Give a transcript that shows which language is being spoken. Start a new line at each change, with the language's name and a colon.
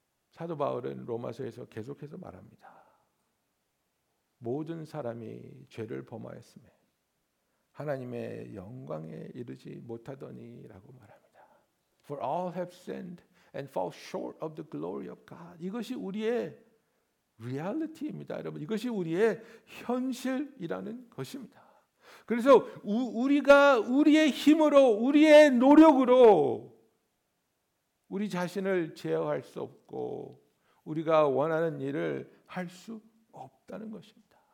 Korean: 사도 바울은 로마서에서 계속해서 말합니다. 모든 사람이 죄를 범하였음에 하나님의 영광에 이르지 못하더니라고 말합니다.
English: For all have sinned and fall short of the glory of God.
Korean: 이것이 우리의 reality입니다. 여러분, 이것이 우리의 현실이라는 것입니다. 그래서 우리가 우리의 힘으로, 우리의 노력으로 우리 자신을 제어할 수 없고 우리가 원하는 일을 할 수 없다는 것입니다.